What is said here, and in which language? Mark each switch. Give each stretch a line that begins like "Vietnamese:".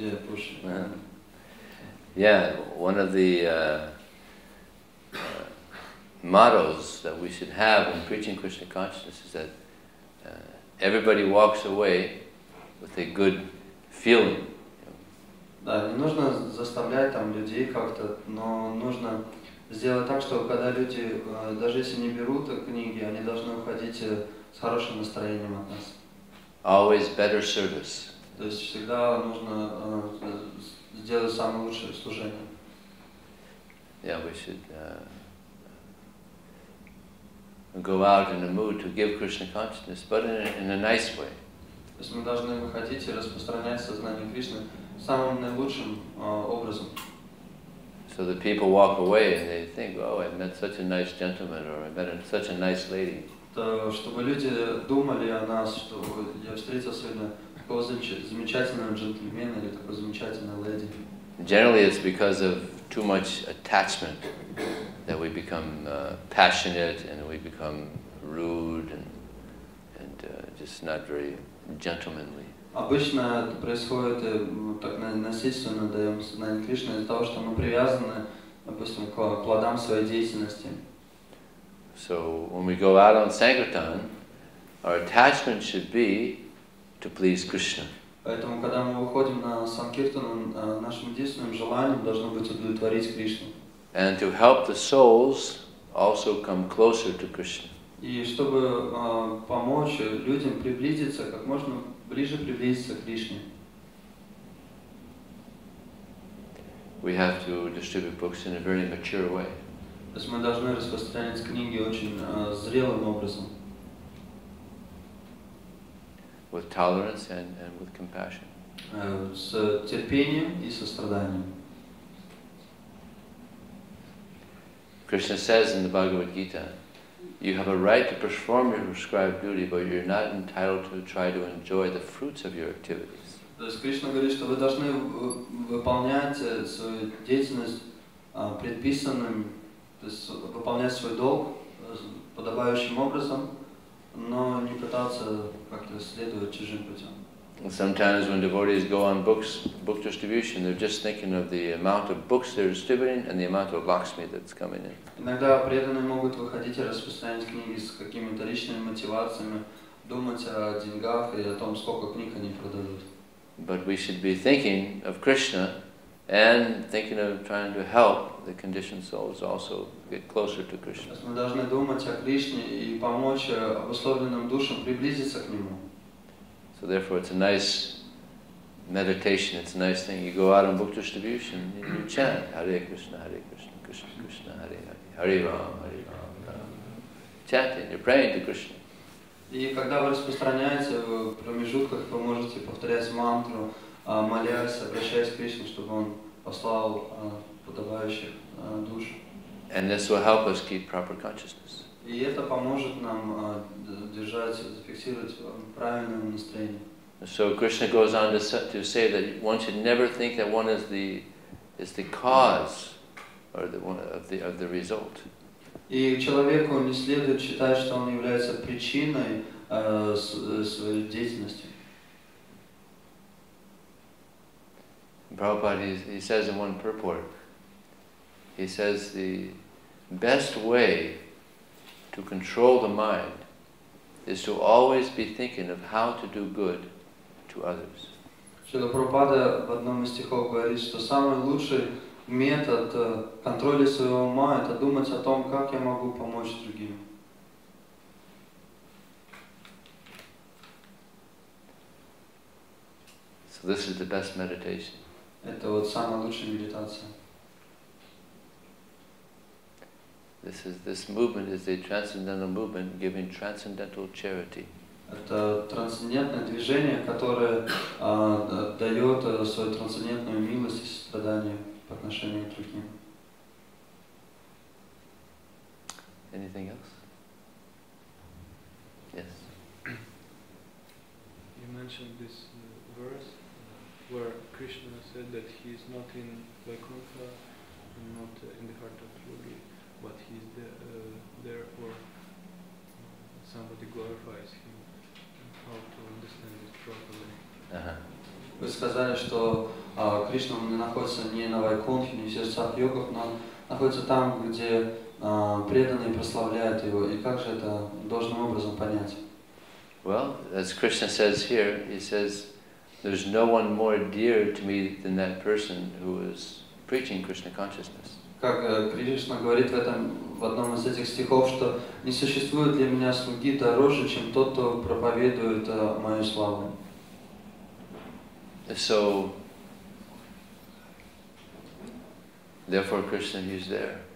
English: Yeah, pushy. Yeah. Yeah, one of the mottos that we should have in preaching Krishna consciousness is that everybody walks away with a good feeling.
Russian: Да, не нужно заставлять там людей как-то, но нужно сделать так, что когда люди, даже если не берут книги, они должны уходить с хорошим настроением от нас.
English: Always better service.
Russian: То есть всегда нужно сделать самое лучшее служение.
English: Yeah, we should go out in a mood to give Krishna consciousness, but in a nice way.
Russian: То есть мы должны выходить и распространять сознание Кришны самым наилучшим образом.
English: So the people walk away and they think, oh, I met such a nice gentleman or I met such a nice lady.
Russian: Чтобы люди думали о нас, что я встретил сегодня такого замечательного джентльмена или такой замечательной леди.
English: Generally, it's because of too much attachment that we become passionate and we become rude and just not very gentlemanly.
Russian: Обычно это происходит так насильственно, даем сознание Кришне из-за того, что мы привязаны, допустим, к плодам своей деятельности.
English: So when we go out on sankirtan, our attachment should be to please Krishna.
Russian: Поэтому, когда мы выходим на санкиртану, нашим единственным желанием должно быть удовлетворить Кришну.
English: And to help the souls also come closer to Krishna.
Russian: И чтобы помочь людям приблизиться, как можно ближе приблизиться к Кришне.
English: We have to distribute books in a very mature way.
Russian: То есть мы должны распространять книги очень зрелым образом.
English: With tolerance and with compassion.
Russian: С терпением и состраданием.
English: Krishna says in the Bhagavad Gita, you have a right to perform your prescribed duty, but you're not entitled to try to enjoy the fruits of your activities.
Russian: То есть Кришна говорит, что вы должны выполнять свою деятельность предписанным, то есть выполнять свой долг подобающим образом, но не пытаться как-то следовать чужим путем.
English: Sometimes when devotees go on book distribution, they're just thinking of the amount of books they're distributing and the amount of lakshmi that's coming in.
Russian: Иногда преданные могут выходить и распространять книги с какими-то личными мотивациями, думать о деньгах и о том, сколько книг они продадут.
English: But we should be thinking of Krishna and thinking of trying to help the conditioned souls also get closer to Krishna.
Russian: Мы должны думать о Кришне и помочь обусловленным душам приблизиться к Нему.
English: So therefore it's a nice meditation, it's a nice thing. You go out on book distribution and you chant Hare Krishna, Hare Krishna, Krishna Krishna, Hare Hare, Hare Rama, Hare Rama. Chanting, you're praying to Krishna.
Russian: И когда вы распространяете в промежутках, вы можете повторять мантру, молясь, обращаясь к Кришне, чтобы Он послал подобающих душ.
English: And this will help us keep proper consciousness.
Russian: И это поможет нам держать, зафиксировать правильное настроение.
English: So Krishna goes on to say that one should never think that one is the cause or the result.
Russian: И человеку не следует считать, что он является причиной своей деятельности.
English: Prabhupada, he says in one purport, he says the best way to control the mind is to always be thinking of how to do good to others.
Russian: Шрила Прабхупада в одном из стихов говорит, что самый лучший метод контроля своего ума – это думать о том, как я могу помочь другим.
English: So this is the best meditation.
Russian: Это вот самая лучшая медитация.
English: This movement is a transcendental movement giving transcendental charity.
Russian: Это трансцендентное движение, которое дает свою трансцендентную милость и сострадание по отношению к другим.
English: Anything else? Yes. You mentioned this verse where Krishna said that he is not in Vaikuntha and not in the heart of Yogi. But he is therefore somebody glorifies him. How to understand it properly?
Russian: Вы сказали, что Кришна не находится ни на Вайкунтхе, ни в сердцах йогов, но находится там, где преданные прославляют его. И как же это должным образом понять?
English: Well, as Krishna says here, he says, there's no one more dear to me than that person who is preaching Krishna consciousness.
Russian: Как Кришна говорит в одном из этих стихов, что не существует для меня слуги дороже, чем тот, кто проповедует мою славу.
English: So, therefore Krishna, he's there.